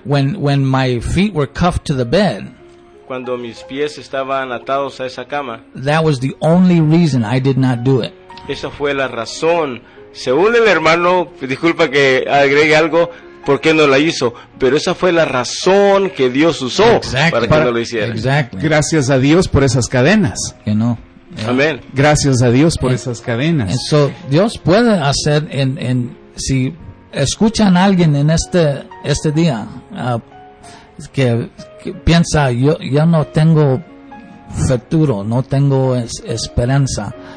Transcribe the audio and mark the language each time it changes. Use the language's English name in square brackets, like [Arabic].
[English] When my feet were cuffed to the bed. [Spanish] Cuando mis pies estaban atados a esa cama. [English] That was the only reason I did not do it. [Spanish] Esa fue la razón. Según el hermano, disculpa que agregue algo, ¿por qué no la hizo? Pero esa fue la razón que Dios usó para que no lo hiciera. [English] Exactly. [Spanish] Gracias a Dios por esas cadenas. [English] You know. Yeah. Amén. [Spanish] Gracias a Dios por esas cadenas. [English] And so, [Spanish] Dios puede hacer en si escuchan a alguien en este día que piensa, yo no tengo futuro, no tengo esperanza.